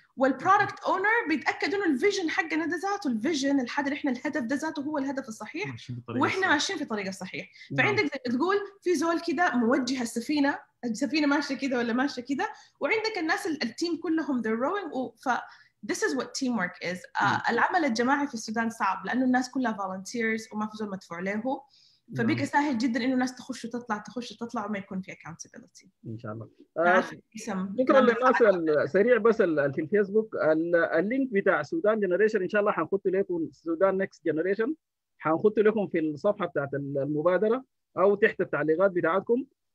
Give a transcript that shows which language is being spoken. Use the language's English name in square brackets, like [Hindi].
[Arabic] والبرودكت أونر بيتأكد إنه الفيجن حقنا ده ذاته الفيجن الحد اللي إحنا الهدف ده ذاته هو الهدف الصحيح وإحنا ماشيين في طريقة صحيح. فعندك زي تقول في زول كده موجه السفينة ماشية كده ولا ماشية كده وعندك الناس التيم كلهم [English] they're rowing. ف this is what teamwork is. [Arabic] العمل الجماعي في السودان صعب لأنه الناس كلها volunteers وما في زول مدفوع له فبيك سهل جدا إنه الناس تخش وتطلع وما يكون في accountability إن شاء الله. شكرا للناس السريع بس في الفيسبوك اللينك بتاع سودان جنريشن إن شاء الله حنحط لكم سودان نيكست جنريشن حنحط لكم في الصفحة بتاعت المبادرة أو تحت التعليقات بتاعتكم.